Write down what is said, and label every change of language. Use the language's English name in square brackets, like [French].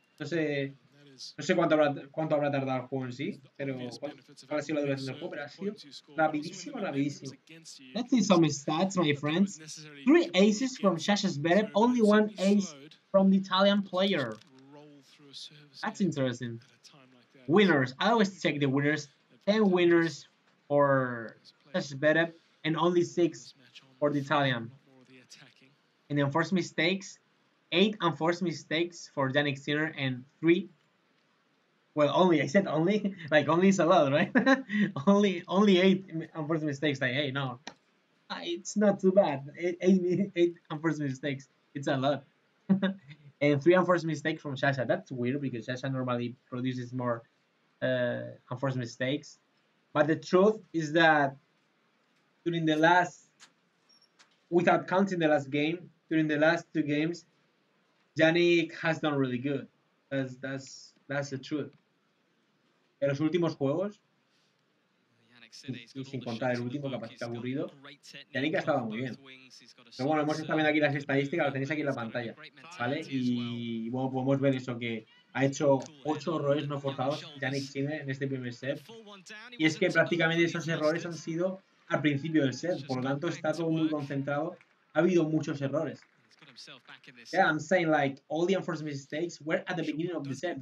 [Spanish] No sé cuánto habrá tardado el juego en sí, pero cuál ha sido la duración del juego, pero ha sido rapidísimo, rapidísimo. [English] Let's see some stats, my friends. 3 aces from Sasha Zverev, only 1 ace from the Italian player. That's interesting. Winners. I always check the winners. 10 winners for Sasha Zverev and only 6 for the Italian. And then first mistakes. 8 unforced mistakes for Jannik Sinner and 3. Well, only, I said only. Like, only is a lot, right? only 8 unforced mistakes. Like, hey, no. It's not too bad. 8 unforced mistakes. It's a lot. And 3 unforced mistakes from Sasha. That's weird because Sasha normally produces more unforced mistakes. But the truth is that during the last, without counting the last game, during the last 2 games, Jannik has done really good. That's the truth. [Spanish] En los últimos juegos, sin contar el último, que ha parecido aburrido, Jannik ha estado muy bien. Pero bueno, hemos estado viendo aquí las estadísticas, lo tenéis aquí en la pantalla, ¿vale? Y bueno, podemos ver eso, que ha hecho 8 errores no forzados Jannik Sinner en este primer set. Y es que prácticamente esos errores han sido al principio del set. Por lo tanto, está todo muy concentrado. Ha habido muchos errores. [English] Yeah, I'm saying like all the unforced mistakes were at the beginning of the set.